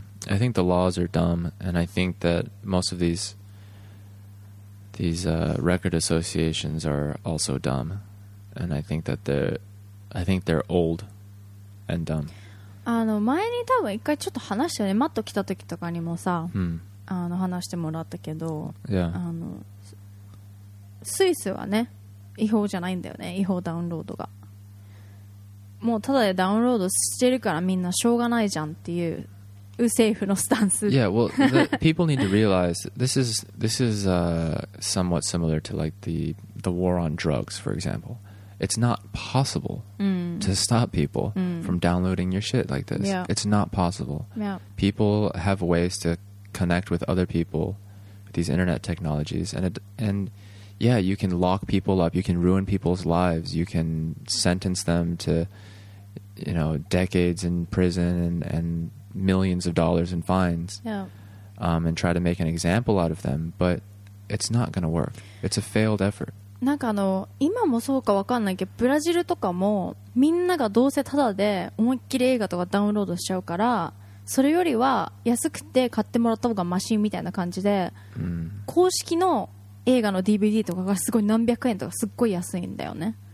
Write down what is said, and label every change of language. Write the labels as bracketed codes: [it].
[en] I think the laws are dumb, and I think that most of these record associations are also dumb, and I think that they're old and dumb. [ja] あの前に多分一回ちょっと話したね、マット来た時とかにもさ、あの話してもらったけど、 [en] yeah. [ja] あのスイスはね。違法じゃないんだよね、違法ダウンロードが。もうただでダウンロードしてるからみんなしょうがないじゃんっていう右政府のスタンス。 [en] Yeah, well, the people need to realize this is somewhat similar to like the war on drugs, for example. It's not possible to stop people from downloading your shit like this. Yeah. It's not possible. Yeah. People have ways to connect with other people with these internet technologies, and Yeah, you can lock people up. You can ruin people's lives. You can sentence them to, you know, decades in prison and millions of dollars in fines. Yeah. And try to make an example out of them. But it's not going to work. It's a failed effort. [ja] なんかあの、今もそうかわかんないけど、ブラジルとかもみんながどうせタダで思いっきり映画とかダウンロードしちゃうから、それよりは安くて買ってもらった方がマシンみたいな感じで、公式の映画の DVD とかがすごい何百円とかすっごい安いんだよね。